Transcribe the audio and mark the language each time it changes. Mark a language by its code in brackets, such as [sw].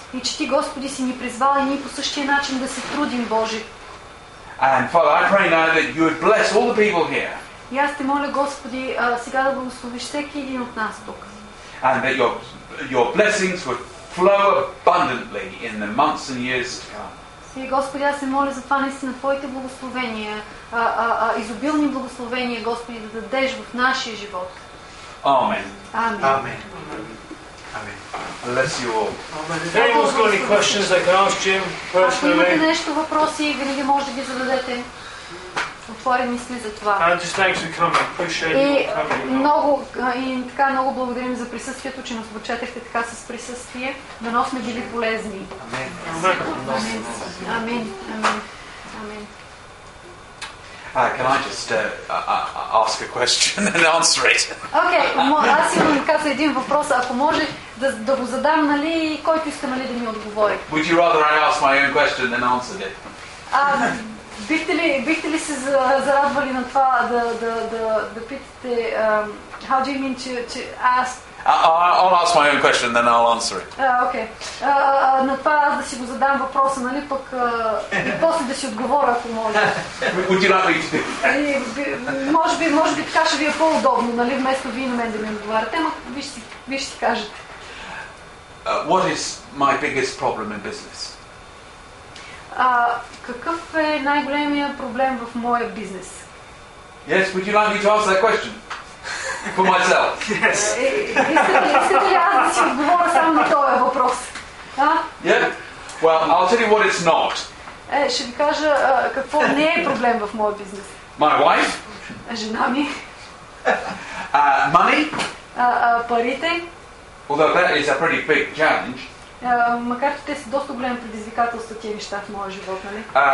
[bg] И че ти, Господи, си ни призвал и ние по същия начин да се трудим, Боже. [en] And Father, I pray now that you would bless all the people here. [bg] И аз те моля, Господи, сега да благословиш всеки един от нас тук. [en] And that your blessings would flow abundantly in the months and years to come. [bg] И Господи, аз се моля за това наистина Твоите благословения, изобилни благословения, Господи, да дадеш в нашия живот. Амин. Амин. [en] Amen. Bless you all. If anyone's got any questions, they can ask Jim personally. [bg] Ако имате нещо въпроси, винаги може да ги зададете. Отвори мисли за това. И много и така много благодарим за присъствието, че нас обучатехте така с присъствие. Дано сме били полезни. Амин. Амин. Амин. [en] Amen. Can I just ask a question and answer it? [bg] Okay, аз имам каза един въпрос, ако може да го задам, нали, и който иска, нали, да ми отговори. [en] Would you rather I ask my own question than answer it? [bg] Бихте ли се зарадвали на това да питате, [en] how do you mean to ask? I'll ask my own question, then I'll answer it. Okay. [bg] На това аз да си го задам въпроса, нали, пък и после да си отговоря, ако може. [en] Would you like me to? [bg] Може би така ще ви е по-удобно, нали, вместо вие на мен да ми отговаряте, ама вижте си кажете. [en] What is my biggest problem in business? [bg] Какъв е най-големият проблем в моя бизнес? [en] Yes, would you like me to ask that question? For myself. Yes. [bg] Искате ли аз да си отговоря само на този въпрос? [en] Yeah. Well, I'll tell you what it's not. [bg] Ще ви кажа какво не е проблем в моя бизнес. [en] My wife. [bg] Жена ми. [en] Money. [bg] Парите. [en] Although that is a pretty big challenge. [bg] Макар че те са доста голям предизвикателство тия неща в моя живот, нали?